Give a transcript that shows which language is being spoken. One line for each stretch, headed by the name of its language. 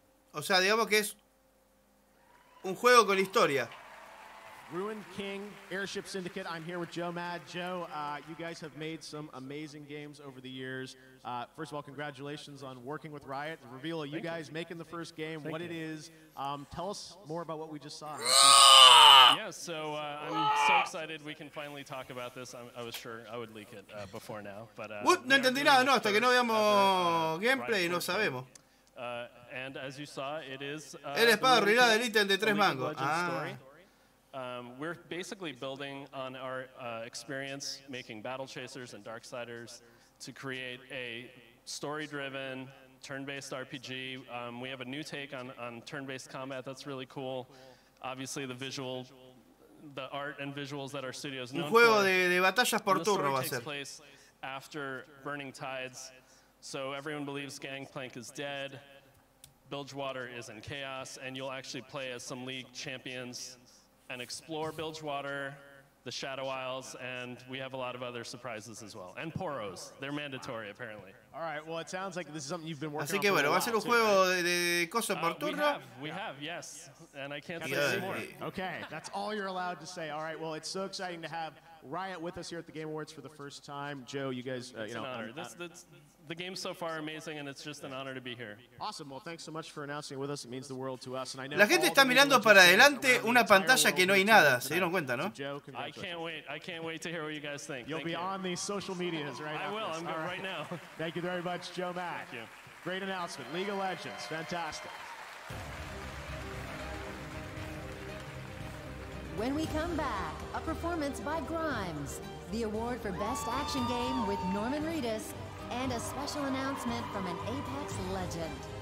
Spanish: O sea, digamos que es un juego con historia.
English: Ruined King, Airship Syndicate. I'm here with Joe Mad. Joe, you guys have made some amazing games over the years. First of all, congratulations on working with Riot. The reveal of you guys making the first game, what it is. Tell us more about what we just saw. Yeah, so I'm so excited we can finally talk about this. I was sure I would leak it before now. But,
Spanish: no entendí nada, no. Hasta que no veamos gameplay, no sabemos.
English: And as you saw, it is
Spanish: el espada arruinada del ítem de tres mangos.
English: We're basically building on our experience making Battle Chasers and Darksiders to create a story-driven, turn-based RPG. We have a new take on turn-based combat that's really cool. Obviously, the visual, the art and visuals that our studio is known for.
Spanish: Un juego de batallas por turno va a ser.
English: After Burning Tides, so everyone believes Gangplank is dead. Bilgewater is in chaos, and you'll actually play as some League champions and explore Bilgewater, the Shadow Isles, and we have a lot of other surprises as well. And Poros, they're mandatory, apparently. All right, well, it sounds like this is something you've been working on.
Spanish: Así que bueno, va a ser un juego de cosas por turno.
English: We have, yes, and I can't say anymore. Okay, that's all you're allowed to say. All right, well, it's so exciting to have Riot with us here at the Game Awards for the first time. Joe, you guys, you know. It's an honor. The game's so far amazing, and it's just an honor to be here. Awesome. Well, thanks so much for announcing it with us. It means the world to us. And I know
Spanish: la gente está mirando para adelante una pantalla que no hay nada. Se dieron cuenta, ¿no?
English: I can't wait to hear what you guys think. You'll Thank be you. On these social medias right now. I will. I'm going right now. Thank you very much, Joe Mack. Thank you. Great announcement. League of Legends. Fantastic. When we come back, a performance by Grimes, the award for best action game with Norman Reedus, and a special announcement from an Apex legend.